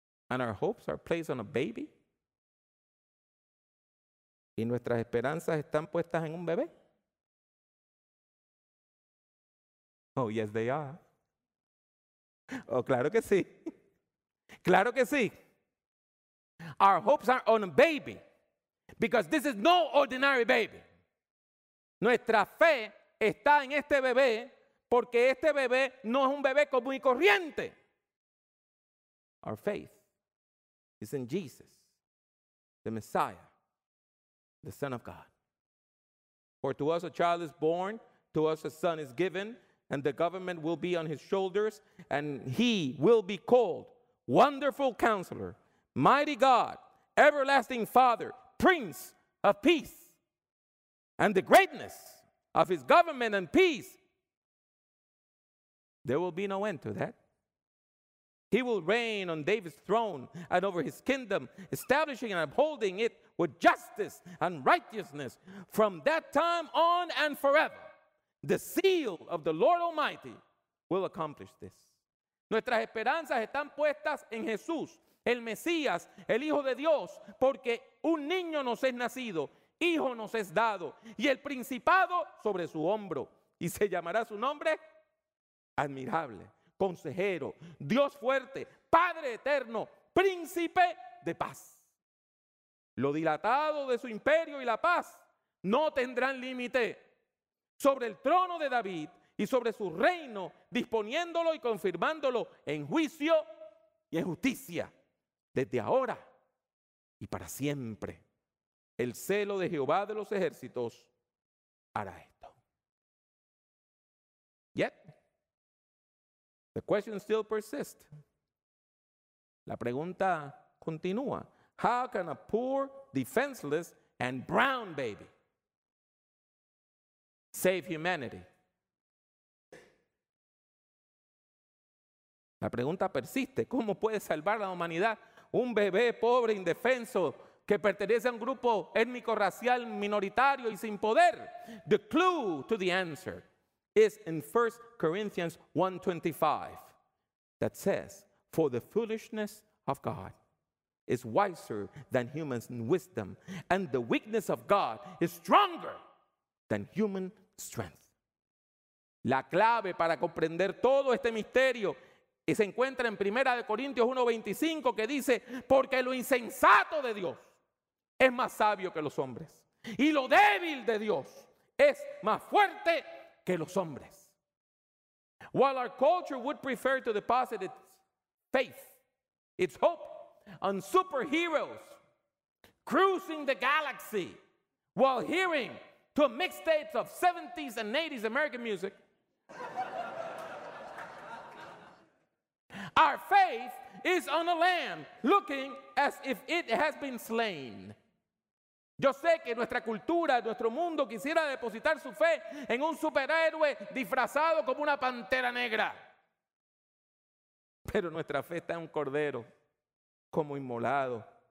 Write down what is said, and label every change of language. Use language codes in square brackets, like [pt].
[en] And our hopes are placed on a baby? [es] ¿Y nuestras esperanzas están puestas en un bebé? [en] Oh, yes, they are. [es] Oh, claro que sí. Claro que sí. [en] Our hopes are on a baby because this is no ordinary baby. [es] Nuestra fe está en este bebé porque este bebé no es un bebé común y corriente. [en] Our faith is in Jesus, the Messiah, the Son of God. For to us a child is born, to us a son is given, and the government will be on his shoulders, and he will be called Wonderful Counselor, Mighty God, Everlasting Father, Prince of Peace. And the greatness of his government and peace There will be no end to that. He will reign on David's throne and over his kingdom, establishing and upholding it with justice and righteousness from that time on and forever. The seal of the Lord Almighty will accomplish this. [es] Nuestras esperanzas están puestas en Jesús, el Mesías, el Hijo de Dios, porque un niño nos es nacido, hijo nos es dado, y el principado sobre su hombro, y se llamará su nombre Admirable, Consejero, Dios Fuerte, Padre Eterno, Príncipe de Paz. Lo dilatado de su imperio y la paz no tendrán límite sobre el trono de David y sobre su reino, disponiéndolo y confirmándolo en juicio y en justicia, desde ahora y para siempre. El celo de Jehová de los ejércitos hará esto. [en] Yet, the question still persists. [es] La pregunta continúa. [en] How can a poor, defenseless, and brown baby save humanity? [es] La pregunta persiste. ¿Cómo puede salvar la humanidad un bebé pobre, indefenso, que pertenece a un grupo étnico-racial minoritario y sin poder? [en] The clue to the answer is in 1 Corinthians 1:25 that says, "For the foolishness of God is wiser than human wisdom, and the weakness of God is stronger than human strength." [es] La clave para comprender todo este misterio y se encuentra en 1 Corintios 1:25 que dice, "Porque lo insensato de Dios es más sabio que los hombres, y lo débil de Dios es más fuerte que los hombres." [en] While our culture would prefer to deposit its faith, its hope, on superheroes cruising the galaxy while hearing to mixtapes of 70s and 80s American music, our faith is on a lamb looking as if it has been slain. [es] Yo sé que nuestra cultura, nuestro mundo quisiera depositar su fe en un superhéroe disfrazado como una pantera negra. Pero nuestra fe está en un cordero como inmolado.